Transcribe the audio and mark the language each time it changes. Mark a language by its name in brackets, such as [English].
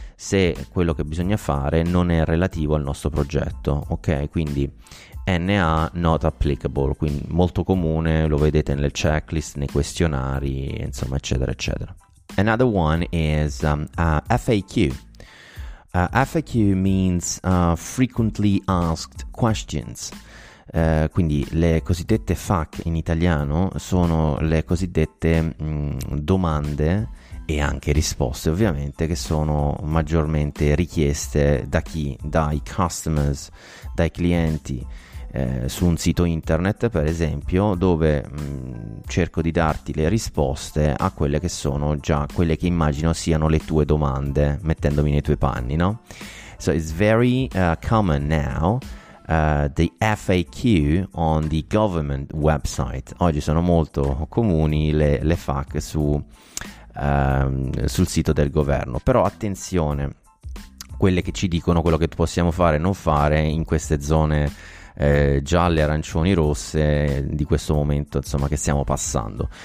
[Italian] se quello che bisogna fare non è relativo al nostro progetto, ok? Quindi NA not applicable, quindi molto comune, lo vedete nelle checklist, nei questionari, insomma, eccetera, eccetera. [English] Another one is FAQ. FAQ means frequently asked questions. [Italian] Quindi le cosiddette FAQ in italiano sono le cosiddette domande e anche risposte, ovviamente, che sono maggiormente richieste da chi? Dai customers, dai clienti, su un sito internet, per esempio, dove cerco di darti le risposte a quelle che sono già quelle che immagino siano le tue domande, mettendomi nei tuoi panni, no? [English] So it's very common now. The FAQ on the government website. [Italian] Oggi sono molto comuni le FAQ su, sul sito del governo. Però attenzione, quelle che ci dicono quello che possiamo fare e non fare in queste zone gialle, arancioni, rosse di questo momento, insomma, che stiamo passando.